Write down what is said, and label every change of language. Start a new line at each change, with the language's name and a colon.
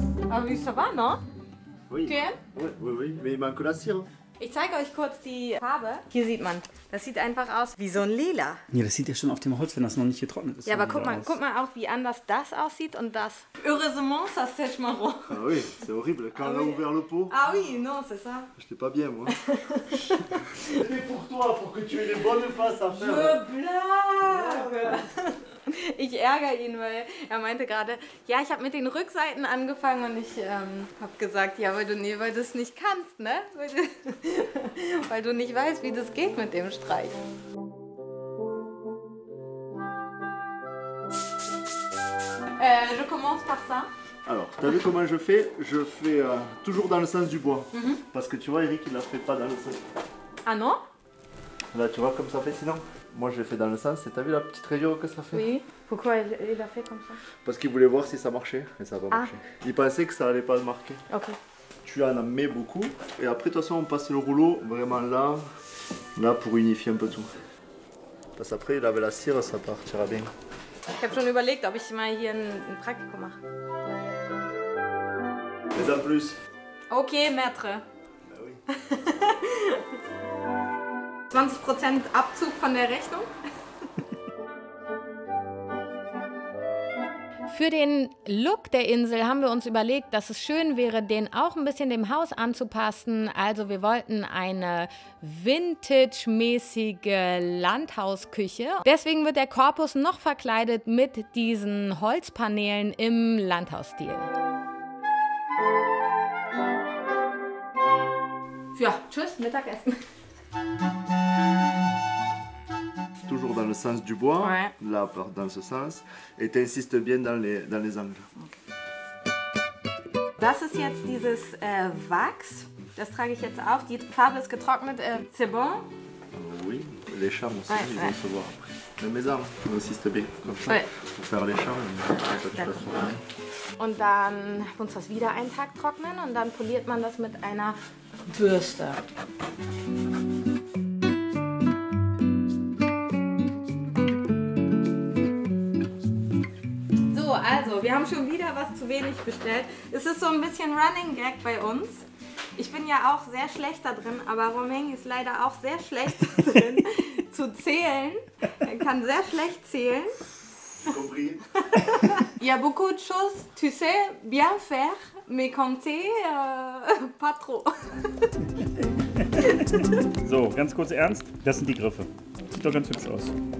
German: Aber wie ist das, no?
French: Oui, mais ma collation.
German: Ich zeige euch kurz die Farbe. Hier sieht man, das sieht einfach aus wie so ein Lila. Ja, das sieht ja schon auf dem Holz, wenn das noch nicht getrocknet ist. Ja, aber guck mal auch, wie anders das aussieht und das.
French: Heureusement, ça sèche marron. Ah oui, c'est horrible. Quand on a ouvert le pot. Ah oui, non, c'est ça. J'étais pas bien, moi. C'était pour toi, pour que tu aies les bonnes faces à faire. Je blague.
German: Ich ärgere ihn, weil er meinte gerade, ja, ich habe mit den Rückseiten angefangen und ich habe gesagt, ja, weil du es nicht kannst, ne? Weil du nicht weißt, wie das geht mit dem Streich.
French: Je commence par ça. Alors, t'as vu comment je fais? Je fais toujours dans le sens du bois. Mm-hmm. Parce que tu vois, Eric, il la fait pas dans le sens. Ah non? Là, tu vois comme ça fait sinon? Moi, je l'ai fait dans le sens, et t'as vu la petite rayure que ça fait? Oui. Pourquoi il a fait comme ça? Parce qu'il voulait voir si ça marchait, et ça n'a pas marché. Il pensait que ça n'allait pas le marquer. Ok. Tu en mets beaucoup, et après, de toute façon, on passe le rouleau vraiment là, pour unifier un peu tout. Parce qu'après, il avait la cire, ça partira bien.
German: Ich habe schon überlegt, ob ich mal hier ein Praktikum mache.
French: Mais en plus. Ok, maître. Ben oui.
German: 20% Abzug von der Rechnung. für den Look der Insel haben wir uns überlegt, dass es schön wäre, den auch ein bisschen dem Haus anzupassen. Also wir wollten eine vintage-mäßige Landhausküche. Deswegen wird der Korpus noch verkleidet mit diesen Holzpaneelen im Landhausstil. Ja, tschüss, Mittagessen.
French: Toujours dans le sens du bois, ouais. Là dans ce sens, et t'insistes bien dans les angles.
German: Das ist jetzt dieses Wachs, das trage ich jetzt auf. Die Farbe ist getrocknet,
French: c'est bon? Oui, les charmes aussi, ouais, ils vont se voir après. Mais mes armes, insiste bien, comme ça, ouais. Pour faire les charmes.
German: Und dann muss das wieder einen Tag trocknen und dann poliert man das mit einer Bürste. Also, wir haben schon wieder was zu wenig bestellt. Es ist so ein bisschen Running Gag bei uns. Ich bin ja auch sehr schlecht da drin, aber Romain ist leider auch sehr schlecht da drin, zu zählen. Er kann sehr schlecht zählen.
French: Compris. Il y a beaucoup de choses, tu sais, bien faire, mais compter, pas trop.
German: So, ganz kurz ernst, das sind die Griffe. Sieht doch ganz hübsch aus.